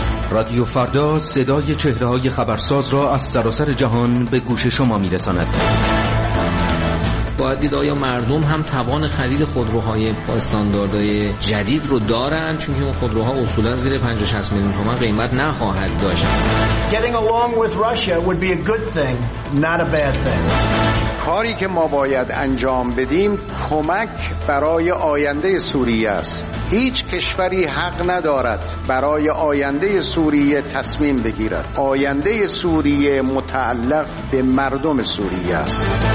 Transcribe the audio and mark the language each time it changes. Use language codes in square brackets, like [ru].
[fa] رادیو فردا صدای چهره‌های خبرساز را از سراسر جهان به گوش شما می‌رساند. باید دید آیا مردم هم توان خرید خودروهای با استانداردهای جدید رو دارن، چون که اون خودروها اصولا زیر 50 60 میلیون تومان قیمت نخواهد داشت. [en] Getting along with Russia would be a good thing, not a bad thing. [fa] کاری که ما باید انجام بدیم کمک برای آینده سوریه است. هیچ کشوری حق ندارد برای آینده سوریه تصمیم بگیرد. آینده سوریه متعلق به مردم سوریه است.